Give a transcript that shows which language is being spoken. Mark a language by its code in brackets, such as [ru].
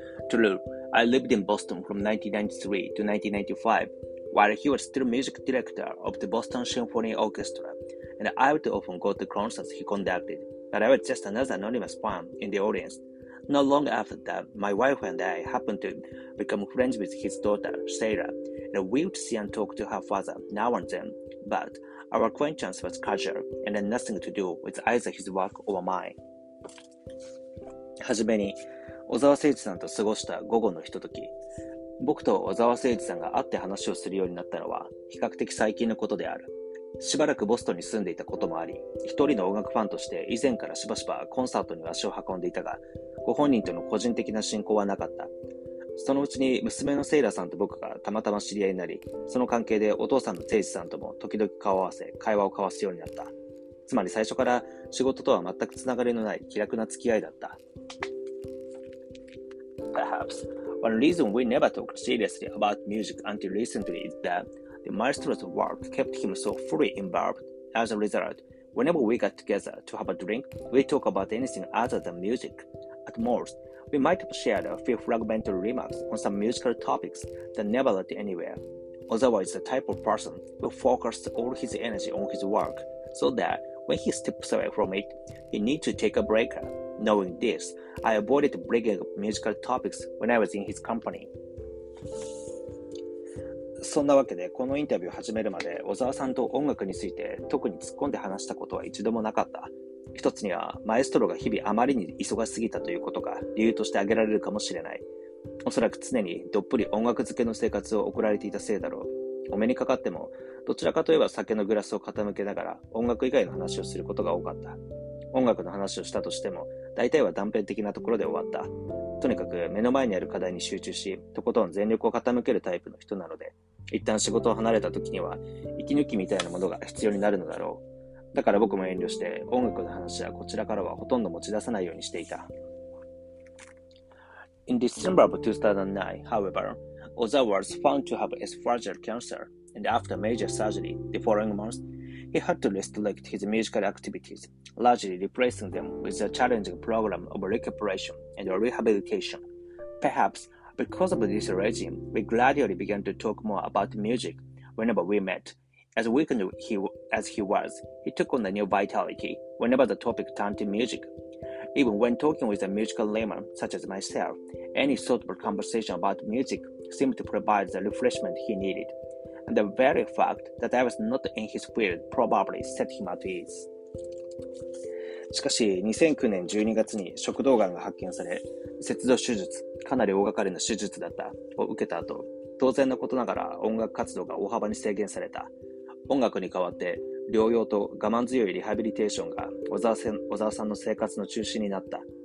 [en] True, I lived in Boston from 1993 to 1995, while he was still music director of the Boston Symphony Orchestra, and I would often go to concerts he conducted, but I was just another anonymous fan in the audience. Not long after that, my wife and I happened to become friends with his daughter, Sarah, and we would see and talk to her father now and then, but our acquaintance was casual and had nothing to do with either his work or mine. [ja] はじめに、小沢誠二さんと過ごした午後のひととき、僕と小沢誠二さんが会って話をするようになったのは比較的最近のことである。しばらくボストンに住んでいたこともあり、一人の音楽ファンとして以前からしばしばコンサートに足を運んでいたが、ご本人との個人的な親交はなかった。そのうちに娘のセイラさんと僕がたまたま知り合いになり、その関係でお父さんの誠二さんとも時々顔を合わせ会話を交わすようになった。つまり最初から仕事とは全くつながりのない気楽な付き合いだった。 [en] Perhaps one reason we never talked seriously about music until recently is that the maestro's work kept him so fully involved. As a result, whenever we got together to have a drink, we talk about anything other than music. At most, we might have shared a few fragmentary remarks on some musical topics that never led anywhere. Ozawa is the type of person who focuses all his energy on his work, so that when he steps away from it, he needs to take a breather. Knowing this, I avoided bringing up musical topics when I was in his company. [ja] そんなわけで、このインタビューを始めるまで、小沢さんと音楽について特に突っ込んで話したことは一度もなかった。一つには、マエストロが日々あまりに忙しすぎたということが理由として挙げられるかもしれない。おそらく常にどっぷり音楽漬けの生活を送られていたせいだろう。お目にかかっても、どちらかといえば酒のグラスを傾けながら音楽以外の話をすることが多かった。音楽の話をしたとしても、大体は断片的なところで終わった。とにかく目の前にある課題に集中し、とことん全力を傾けるタイプの人なので、一旦仕事を離れた時には、息抜きみたいなものが必要になるのだろう。だから僕も遠慮して、音楽の話はこちらからはほとんど持ち出さないようにしていた。 [en] In December of 2009, however, Ozawa was found to have esophageal cancer, and after major surgery, the following month,He had to restrict his musical activities, largely replacing them with a challenging program of recuperation and rehabilitation. Perhaps because of this regime, we gradually began to talk more about music whenever we met. As weakened as he was, he took on a new vitality whenever the topic turned to music. Even when talking with a musical layman such as myself, any thoughtful conversation about music seemed to provide the refreshment he needed. And the very fact that I was not in his field probably set him at ease. [ja] しかし、2009年12月に食道癌が発見され、切除手術、かなり大掛かりな手術だった、を受けた後、当然のことながら音楽活動が大幅に制限された。音楽に代わって、療養と我慢強いリハビリテーションが小沢さんの生活の中心になった。